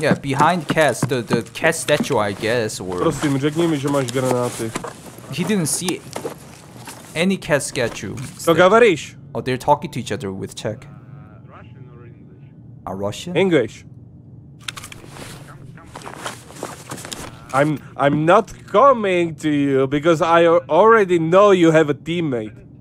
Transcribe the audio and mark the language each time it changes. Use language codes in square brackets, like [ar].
[en] Yeah, behind Cass, the Cass statue, I guess, or... [cs] Prosim, řekni mi, že máš granáty. [en] He didn't see any Cass statue. [cs] Co [ru] говоришь? [en] Oh, they're talking to each other with Czech. Russian or English? Russian? English. I'm not coming to you because I already know you have a teammate.